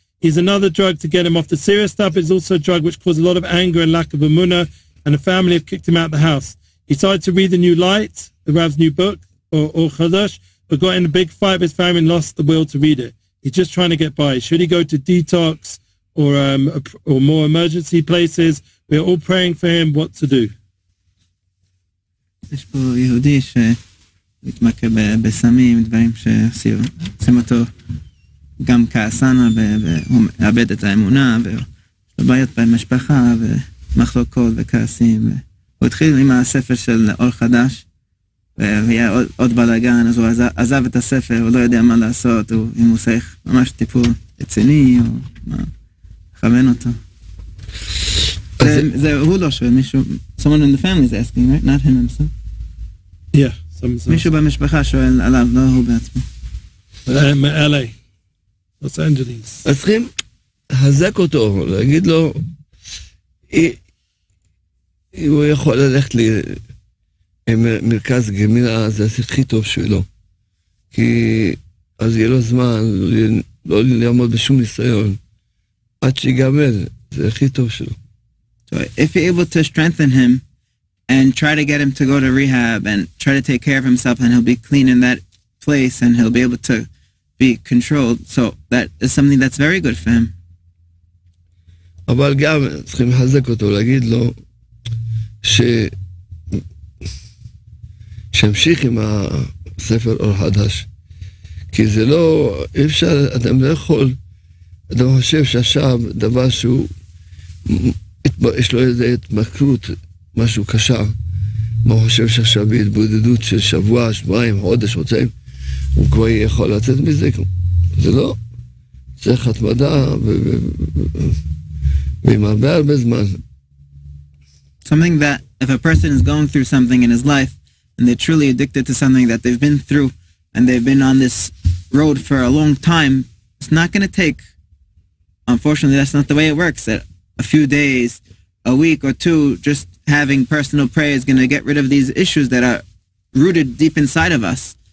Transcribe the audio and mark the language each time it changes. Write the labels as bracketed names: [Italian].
[English] He's another drug to get him off the serious stuff. It's also a drug which causes a lot of anger and lack of emunah, and the family have kicked him out of the house. He started to read the new light, the Rav's new book, or Chadash, but got in a big fight with his family and lost the will to read it. He's just trying to get by. Should he go to detox or more emergency places? We're all praying for him what to do. [Hebrew] יש פה יהודי שמתמכר בסמים, דברים שעושים אותו גם כעסנה, והוא מאבד את האמונה, ובעיות במשפחה, ומחלוקות וכעסים. הוא התחיל עם הספר של אור חדש, והיה עוד בלגן, אז הוא עזב את הספר, הוא לא יודע מה לעשות, אם הוא צריך ממש טיפול רציני, או מה, לכוון אותו. הוא לא שואל, מישהו, [English] someone in the family is asking, right? Not him himself. Yeah, someone says. [Hebrew] מישהו במשפחה שואל עליו, לא הוא בעצמו. מ-LA, Los Angeles. אז צריכים להזק אותו, להגיד לו, אם הוא יכול ללכת לי, מרכז גמילה, זה הכי טוב שלו. כי אז יהיה לו זמן, לא לעמוד בשום ניסיון, עד שיגמל, זה הכי טוב שלו. [English] So if you're able to strengthen him and try to get him to go to rehab and try to take care of himself and he'll be clean in that place and he'll be able to be controlled, so that is something that's very good for him. [Hebrew] אבל גם צריכים לחזק אותו, להגיד לו שימשיך עם הספר אור חדש, כי זה לא, אי אפשר, אדם לא יכול, אדם חושב שעכשיו דבר שהוא יש לו איזה התמכרות, משהו קשה, מה הוא חושב שעכשיו בהתבודדות של שבוע, שבועיים, חודש, חודשיים, הוא כבר יכול לצאת מזה, זה לא, צריך התמדה, ועם הרבה הרבה זמן. [English] Something that, if a person is going through something in his life, and they're truly addicted to something that they've been through, and they've been on this road for a long time, it's not going to take, unfortunately, that's not the way it works, that a few days, a week or two, just having personal prayer is going to get rid of these issues that are rooted deep inside of us.